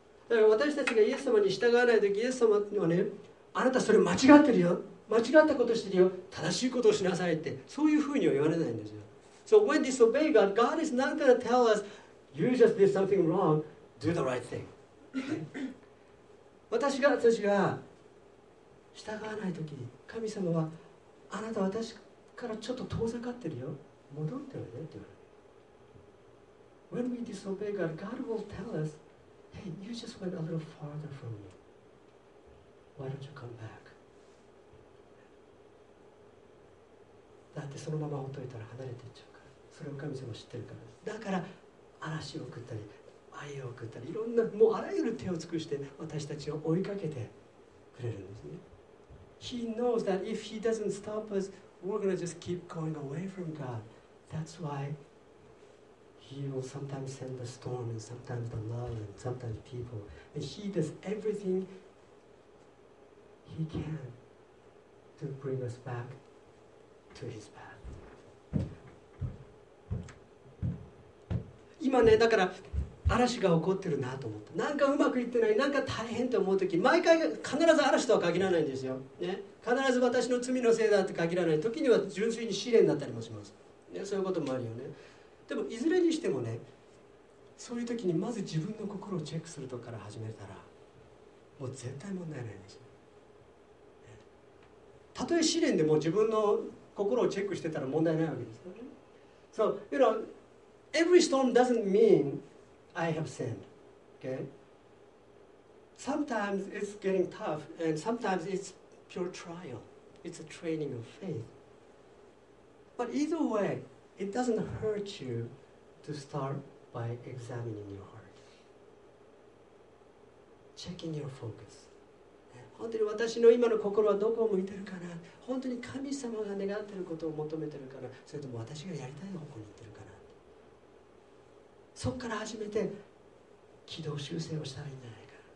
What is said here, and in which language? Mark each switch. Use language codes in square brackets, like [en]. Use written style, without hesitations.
[ja] だから私たちがイエス様に従わないとき、イエス様にはね、あなたそれ間違ってるよ。間違ったことしてるよ。正しいことをしなさいって、そういうふうには言われないんですよ。 [en] So when disobey God, God is not going to tell us, you just did something wrong, do the right thing. [ja] 私が従わないとき、神様は、あなた私からちょっと遠ざかってるよ。戻っておいでって言われる。 [en] When we disobey God, God will tell us, hey, you just went a little farther from me. Why don't you come back? [ja] だってそのまま放っといたら離れていっちゃうから、それを神様知ってるから、だから嵐を送ったり愛を送ったり、いろんなもうあらゆる手を尽くして私たちを追いかけてくれるんですね。 [en] He knows that if he doesn't stop us, we're going to just keep going away from God. That's why he will sometimes send the storm and sometimes the love and sometimes people. And he does everything he can to bring us backto his path. [ja] 今ね、だから嵐が起こってるなと思った。なんかうまくいってない、なんか大変と思うとき、毎回必ず嵐とは限らないんですよ、ね、必ず私の罪のせいだって限らない。時には純粋に試練だったりもします、ね、そういうこともあるよね。でもいずれにしてもね、そういうときにまず自分の心をチェックするとこから始めたらもう絶対問題ないんですよ、ね、たとえ試練でも自分の心をチェックしてたら問題ないわけですよね。 [en] So, you know, every storm doesn't mean I have sinned. Okay? Sometimes it's getting tough and sometimes it's pure trial. It's a training of faith. But either way, it doesn't hurt you to start by examining your heart. Checking your focus. [ja] 本当に私の今の心はどこを向いてるかな、本当に神様が願っていることを求めてるかな、それとも私がやりたい方向に行ってるかな、そこから始めて軌道修正をしたらいいんじゃないか。